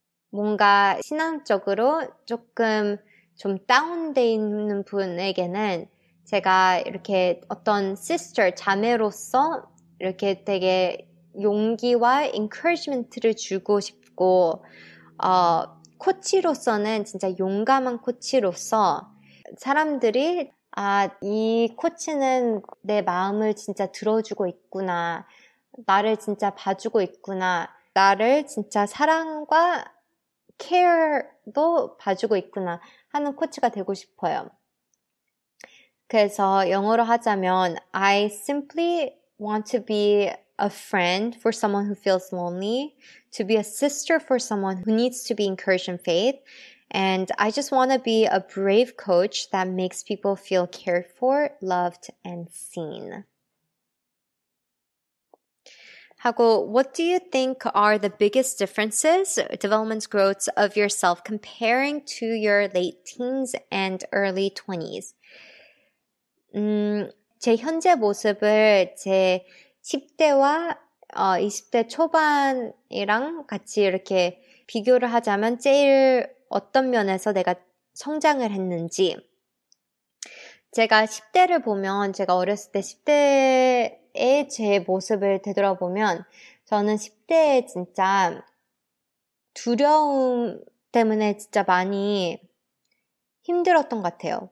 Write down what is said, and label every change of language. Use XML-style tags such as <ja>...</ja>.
<ko>뭔가 신앙적으로 조금 좀 다운되어 있는 분에게는 제가 이렇게 어떤 sister, 자매로서 이렇게 되게 용기와 encouragement를 주고 싶고, 코치로서는 진짜 용감한 코치로서 사람들이, 이 코치는 내 마음을 진짜 들어주고 있구나. 나를 진짜 봐주고 있구나. 나를 진짜 사랑과 케어도 봐주고 있구나 하는 코치가 되고 싶어요. 그래서 영어로 하자면</ko> <en>I simply want to be a friend for someone who feels lonely, to be a sister for someone who needs to be encouraged in faith, and I just want to be a brave coach that makes people feel cared for, loved, and seen. 하고, what do you think are the biggest differences, developments, growths of yourself comparing to your late teens and early 20s?</en> <ko>제 현재 모습을 제 10대와 20대 초반이랑 같이 이렇게 비교를 하자면 제일 어떤 면에서 내가 성장을 했는지. 제가 10대를 보면 제가 어렸을 때 10대의 제 모습을 되돌아보면 저는 10대에 진짜 두려움 때문에 진짜 많이 힘들었던 것 같아요.</ko>